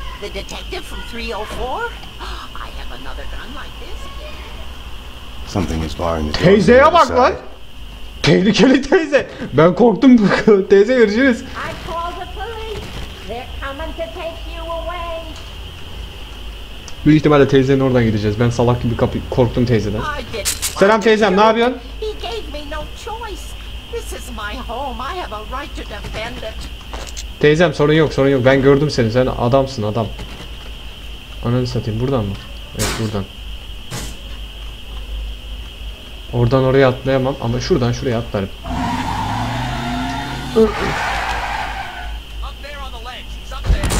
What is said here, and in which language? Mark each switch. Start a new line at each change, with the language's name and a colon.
English: The detective from 304? I have another gun like this. Something is barring the
Turkish: door. Teyzeye bak lan. Tehlikeli teyze. Ben korktum. Teyze görüşürüz.
English: I called the police. They're coming to take you away.
Turkish: Büyük ihtimalle teyzenin oradan gideceğiz. Ben salak gibi korktum teyzeden. Selam teyzem, ne yapıyorsun?
English: He gave me no choice. This is my home. I have a right to defend it.
Turkish: Teyzem sorun yok, sorun yok. Ben gördüm seni. Sen adamsın, adam. Ananı satayım. Buradan mı? Evet, buradan. Oradan oraya atlayamam ama şuradan şuraya atlarım.
English: Up there on the ledge. He's up there.